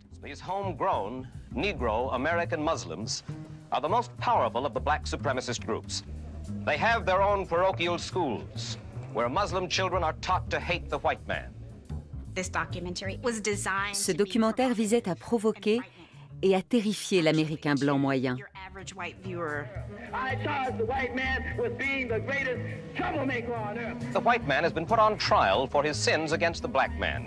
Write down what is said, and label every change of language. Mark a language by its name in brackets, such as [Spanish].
[English] These homegrown Negro American Muslims are the most powerful of the black supremacist groups. They have their own parochial schools where Muslim children are taught to hate the white man. [French] Ce documentaire visait à provoquer et à terrifier l'Américain blanc moyen. [English] The white man has been put on trial for his sins against the black man.